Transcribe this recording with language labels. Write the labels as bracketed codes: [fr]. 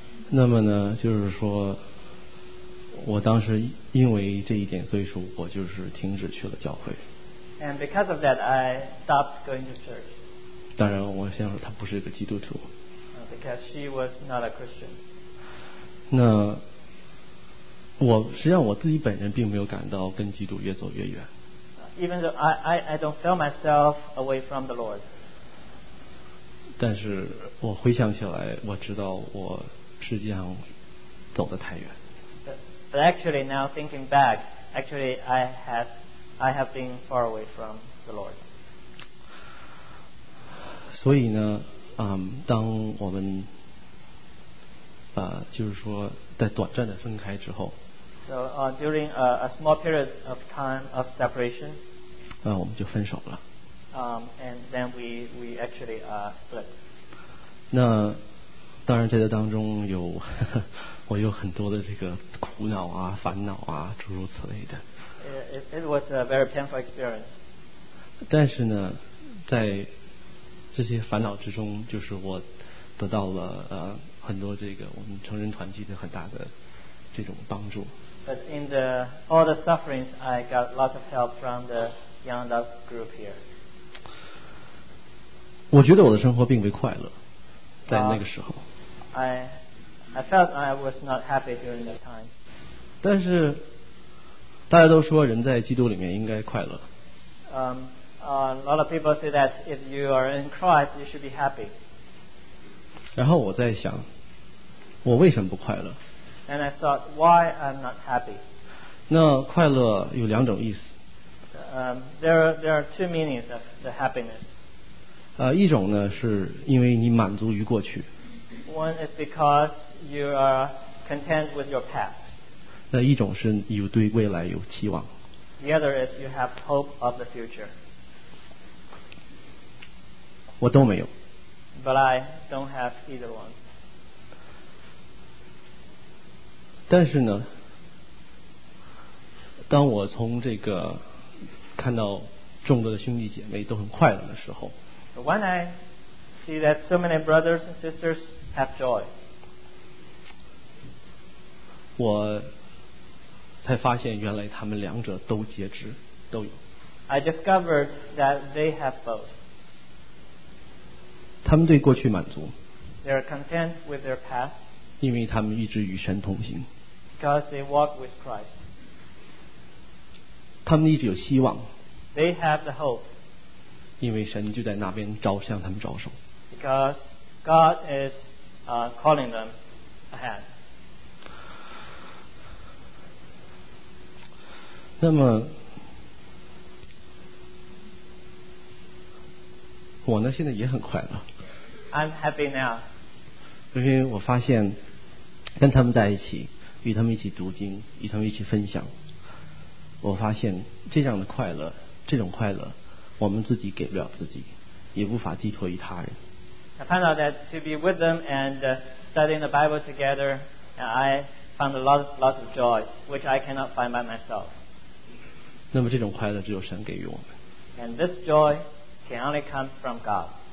[zh] 那么呢，就是说，我当时因为这一点，所以说我就是停止去了教会。 [en] And because of that, I stopped going to church. [zh] 当然，我先说她不是一个基督徒。 [en] Because she was not a Christian. [zh] 那我实际上我自己本人并没有感到跟基督越走越远。 [en] Even though I don't feel myself away from the Lord. [zh] 但是我回想起来，我知道我实际上走得太远。 [en] But actually, now thinking back, actually I have been far away from the Lord. [zh] 所以呢，当我们就是说在短暂的分开之后 [en] So during a small period of time of separation [zh] 我们就分手了 [en] And then we actually split [zh] 那当然在这当中有我有很多的这个苦恼啊烦恼啊诸如此类的 [en] It was a very painful experience [zh] 但是呢在这些烦恼之中就是我得到了很多这个我们成人团体的很大的这种帮助。 [en] But in the all the sufferings, I got lots of help from the young adult group here. [zh] 我觉得我的生活并未快乐，在那个时候。 [en] I felt I was not happy during that time. [zh] 但是大家都说人在基督里面应该快乐。 [en] A lot of people say that if you are in Christ, you should be happy. [zh] 然后我在想。我为什么不快乐 [en] And I thought, why I'm not happy? [zh] 那快乐有两种意思 [en] there are two meanings of the happiness [zh] 一种呢是因为你满足于过去 [en] One is because you are content with your past [zh] 那一种是你对未来有期望 [en] The other is you have hope of the future [zh] 我都没有 [en] But I don't have either one [zh] 但是呢当我从这个看到众多的兄弟姐妹都很快乐的时候 [en] When I see that so many brothers and sisters have joy [zh] 我才发现原来他们两者都截肢都有。 [en] I discovered that they have both. [zh] 他们对过去满足。 [en] They are content with their past. [zh] 因为他们一直与神同行。 [en] Because they walk with Christ. [zh] 他们一直有希望。 [en] They have the hope. [zh] 因为神就在那边招向他们招手。 [en] Because God is calling them ahead. [zh] 那么我呢现在也很快乐。 [en] I'm happy now. [zh] 因为我发现跟他们在一起，与他们一起读经，与他们一起分享，我发现这样的快乐，这种快乐我们自己给不了自己，也无法寄托于他人。 [en] I found out that to be with them and studying the Bible together, I found a lot of joy which I cannot find by myself. [zh] 那么这种快乐只有神给予我们。 [en] And this joy can only come from God.